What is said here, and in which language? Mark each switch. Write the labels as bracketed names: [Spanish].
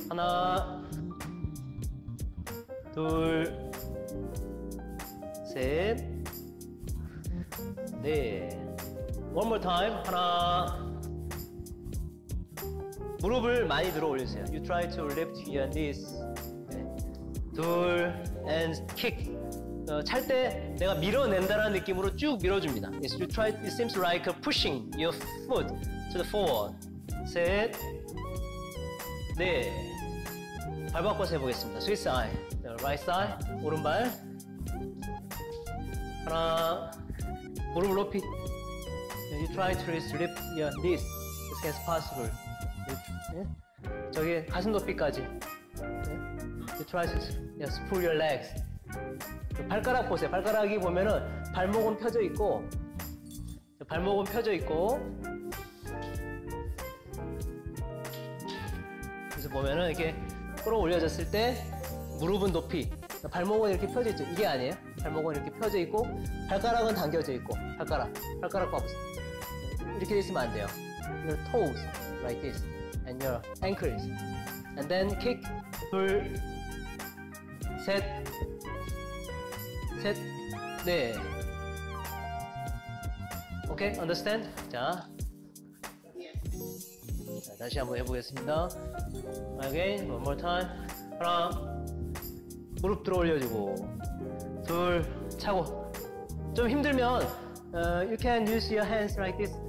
[Korean] 하나, 둘, 셋, 넷. [English] One more time. [Korean] 하나. 무릎을 많이 들어 올리세요. [English] You try to lift your knees. [Korean] 둘, [English] and kick. [Korean] 찰 때 내가 밀어낸다라는 느낌으로 쭉 밀어줍니다. [English] Yes, you try, it seems like pushing your foot to the forward. [Korean] 셋, 넷. 발 바꿔서 해보겠습니다. [English] Swiss side. Right side. [Korean] 오른발. 하나. 무릎 높이. [English] You try to lift your knees as soon as possible. Yeah. [Korean] 저기 가슴 높이까지. [English] Yeah. You try to yes, pull your legs. [Korean] 발가락 보세요. 발가락이 보면은 발목은 펴져 있고, 발목은 펴져 있고, 그래서 보면은 이렇게 끌어올려졌을 때 무릎은 높이, 발목은 이렇게 펴져 있죠. 이게 아니에요. 발목은 이렇게 펴져 있고, 발가락은 당겨져 있고, 발가락 봐보세요. 이렇게 있으면 안 돼요. [English] Your toes, like this, and your ankles, and then kick, [Korean] 둘, 셋. 셋, 넷. 오케이, [English] understand? [Korean] 자, 자 다시 한번 해보겠습니다. [English] Again, one more time. [Korean] 하나, 무릎 들어 올려주고, 둘, 차고. 좀 힘들면, [English] you can use your hands like this.